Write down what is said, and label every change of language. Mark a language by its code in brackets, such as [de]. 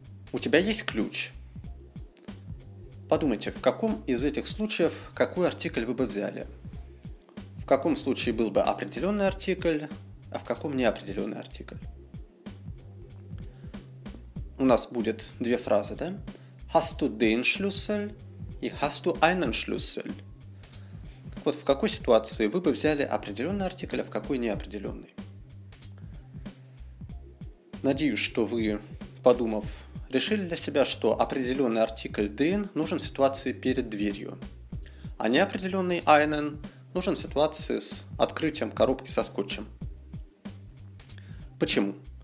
[ru] У тебя есть ключ? Подумайте, в каком из этих случаев какой артикль вы бы взяли? В каком случае был бы определенный артикль, а в каком неопределенный артикль? У нас будет две фразы, да? [de] Hast du den Schlüssel и hast du einen Schlüssel? [ru] Вот в какой ситуации вы бы взяли определенный артикль, а в какой неопределенный? Надеюсь, что вы, подумав, решили для себя, что определенный артикль den нужен в ситуации перед дверью, а неопределенный einen нужен в ситуации с открытием коробки со скотчем. Почему?